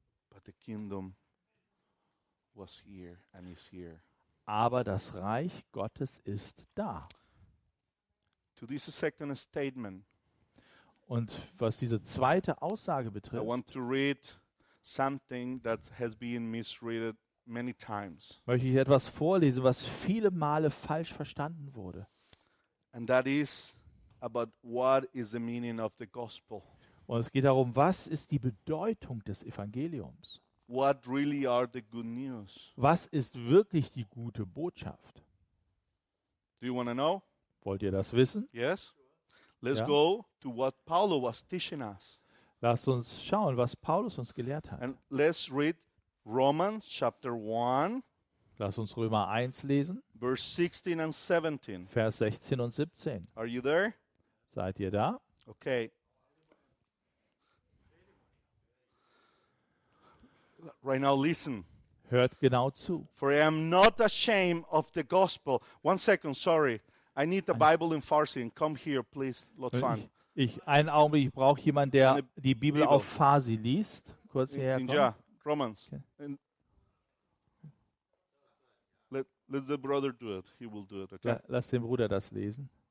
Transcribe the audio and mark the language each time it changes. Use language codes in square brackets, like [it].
[en] But the kingdom was here and is here. [de] Aber das Reich Gottes ist da. [en] To this second statement. [de] Und was diese zweite Aussage betrifft, [en] I want to read something that has been misread many times. [de] Möchte ich etwas vorlesen, was viele Male falsch verstanden wurde. [en] And that is about what is the meaning of the gospel. [de] Und es geht darum, was ist die Bedeutung des Evangeliums? [en] What really are the good news? [de] Was ist wirklich die gute Botschaft? [en] Do you want to know? [de] Wollt ihr das wissen? [en] Yes. Let's go to what Paulo was teaching us. [de] Lasst uns schauen, was Paulus uns gelehrt hat. [en] And let's read Romans chapter 1. [de] Lasst uns Römer 1 lesen. [en] Verse 16 and 17. [de] Vers 16 und 17. [en] Are you there? [de] Seid ihr da? [en] Okay. Right now listen. [de] Hört genau zu. [en] For I am not ashamed of the gospel. One second, sorry. I need the Bible in Farsi. Come here, please. [fa] Lotfan. [de] Einen Augenblick, ich brauche jemanden, der die Bibel auf Farsi liest. Kurz hierher kommt. Ja, [en] Romans. Okay. Let the brother do it. He will do it. Okay. [de] Lass den Bruder das lesen.